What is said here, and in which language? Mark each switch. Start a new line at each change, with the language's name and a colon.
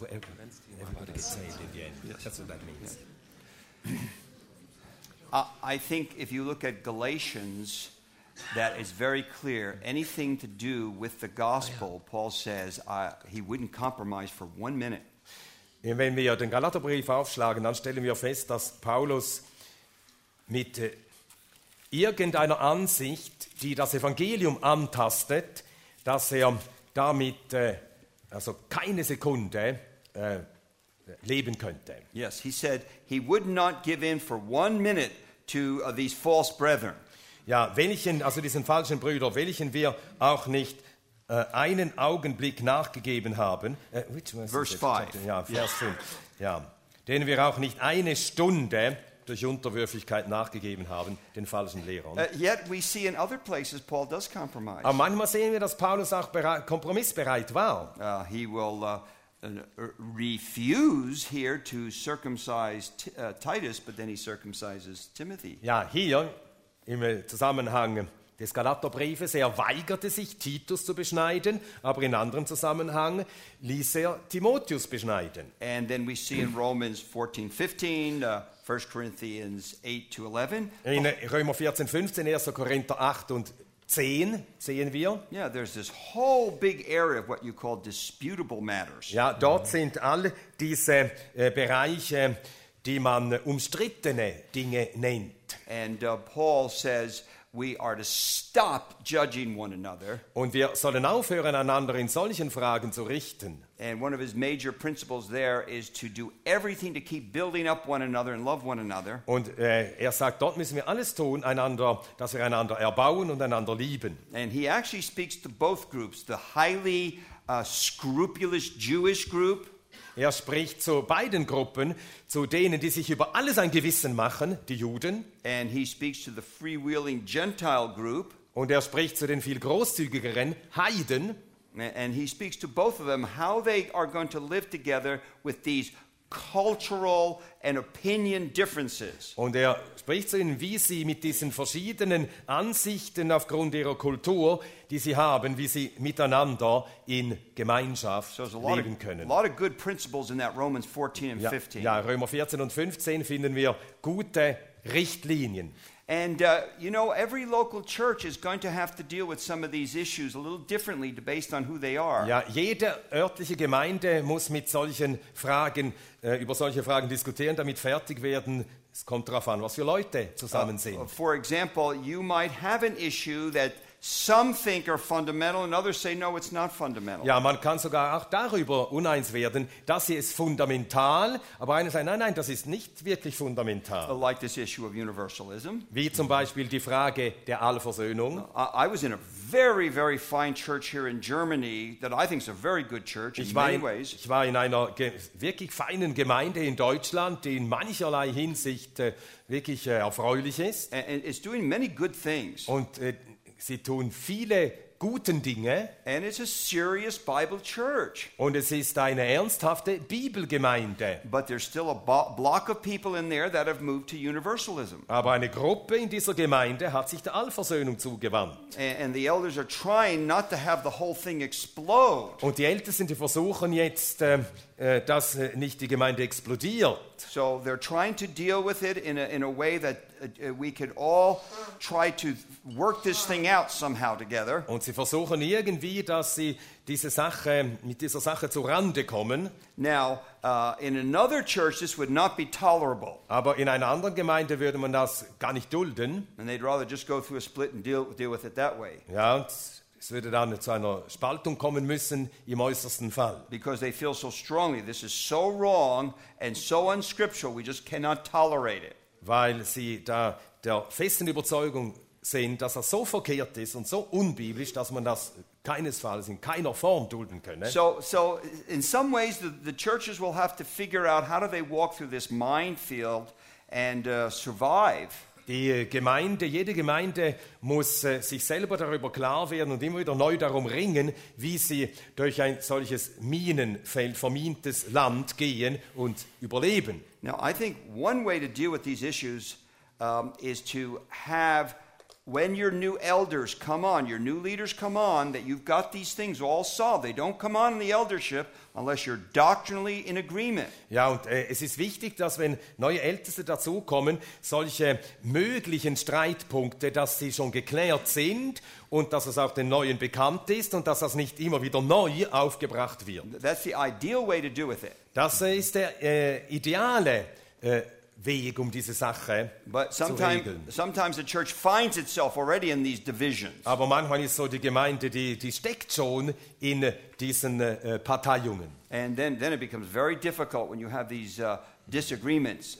English: Where everybody gets saved in the end. Yes. That's what that means. Yeah. I think if you look at Galatians, that is very clear. Anything to do with the gospel, Paul says, he wouldn't compromise for one minute.
German: Wenn wir den Galaterbrief aufschlagen, dann stellen wir fest, dass Paulus mit irgendeiner Ansicht, die das Evangelium antastet, dass er damit also keine Sekunde leben könnte.
English: Yes, he said he would not give in for one minute to these false brethren.
German: Ja, welchen, also diesen falschen Brüder, welchen wir auch nicht einen Augenblick nachgegeben haben,
English: Verse 5.
German: Ja, Vers 5. Ja. Den wir auch nicht eine Stunde durch Unterwürfigkeit nachgegeben haben, den falschen Lehrern.
English: Yet we see in other places Paul does compromise.
German: Aber manchmal sehen wir, dass Paulus auch kompromissbereit war.
English: He will refuse here to circumcise Titus, but then he circumcises Timothy.
German: Ja, hier im Zusammenhang des Galaterbriefes, er weigerte sich, Titus zu beschneiden, aber in anderem Zusammenhang ließ er Timotheus beschneiden.
English: And then we see in Romans 14:15, 1 Corinthians 8-11.
German: In Römer 14:15, 1. Korinther 8 und 10 sehen wir.
English: Yeah, there's this whole big area of what you call disputable matters.
German: Ja, dort sind all diese Bereiche, die man umstrittene Dinge nennt.
English: And Paul says, we are to stop judging one another.
German: Und wir sollen aufhören, einander in solchen Fragen zu richten.
English: And one of his major principles there is to do everything to keep building up one another and love one another.
German: Und er sagt, dort müssen wir alles tun, einander, dass wir einander erbauen und einander lieben.
English: And he actually speaks to both groups, the highly scrupulous Jewish group.
German: Er spricht zu beiden Gruppen, zu denen, die sich über alles ein Gewissen machen, die Juden.
English: And he speaks to the free-willing Gentile group.
German: Und er spricht zu den viel großzügigeren Heiden.
English: And he speaks to both of them how they are going to live together with these cultural and opinion differences.
German: Und er spricht zu ihnen, wie sie mit diesen verschiedenen Ansichten aufgrund ihrer Kultur, die sie haben, wie sie miteinander in Gemeinschaft leben können.
English: A lot of good principles in that Romans 14 and 15.
German: Ja, Römer 14 und 15 finden wir gute Richtlinien.
English: And you know, every local church is going to have to deal with some of these issues a little differently based on who they are.
German: Ja, jede örtliche Gemeinde muss mit solchen Fragen über solche Fragen diskutieren, damit fertig werden. Es kommt darauf an, was für Leute zusammen sind.
English: For example, you might have an issue that some think are fundamental and others say no, it's not fundamental.
German: Ja, man kann sogar auch darüber uneins werden, dass sie es fundamental, aber einer sagt, nein, das ist nicht wirklich fundamental.
English: Like this issue of universalism.
German: Wie zum Beispiel die Frage der Allversöhnung.
English: I was in a very, very fine church here in Germany that I think is a very good church in many ways.
German: Ich war in einer wirklich feinen Gemeinde in Deutschland, die in mancherlei Hinsicht wirklich erfreulich ist.
English: And it's doing many good things.
German: Und sie tun viele guten Dinge.
English: And it's a serious Bible church.
German: Und es ist eine ernsthafte Bibelgemeinde.
English: But there's still a block of people in there that have moved to universalism.
German: Aber eine Gruppe in dieser Gemeinde hat sich der Allversöhnung zugewandt.
English: And the elders are trying not to have the whole thing explode.
German: Und die Ältesten, die versuchen jetzt dass nicht die Gemeinde explodiert.
English: So they're trying to deal with it in a way that we could all try to work this thing out somehow together.
German: Und sie versuchen irgendwie, dass sie diese Sache mit dieser Sache zu Rande kommen.
English: Now, in another church this would not be tolerable.
German: Aber in einer anderen Gemeinde würde man das gar nicht dulden.
English: And they'd rather just go through a split and deal with it that way.
German: Ja, es würde dann zu einer Spaltung kommen müssen, im äußersten Fall.
English: Because they feel so strongly, this is so wrong and so unscriptural, we just cannot tolerate it.
German: Weil sie da der festen Überzeugung sind, dass das so verkehrt ist und so unbiblisch, dass man das keinesfalls in keiner Form dulden könne.
English: So in some ways the churches will have to figure out how do they walk through this minefield and survive.
German: Die Gemeinde, jede Gemeinde muss sich selber darüber klar werden und immer wieder neu darum ringen, wie sie durch ein solches Minenfeld, vermintes Land gehen und überleben.
English: Now I think one way to deal with these issues is to have, when your new elders come on, your new leaders come on, that you've got these things all solved. They don't come on in the eldership unless you're doctrinally in agreement.
German: Ja, und es ist wichtig, dass wenn neue Älteste dazukommen, solche möglichen Streitpunkte, dass sie schon geklärt sind und dass es auch den Neuen bekannt ist und dass das nicht immer wieder neu aufgebracht wird.
English: That's the ideal way to do with it.
German: Das ist der ideale Weg, um diese Sache zu regeln.
English: Sometimes the church finds itself already in these divisions.
German: Aber manchmal ist so die Gemeinde, die steckt schon in diesen Parteiungen.
English: And then it becomes very difficult when you have these disagreements.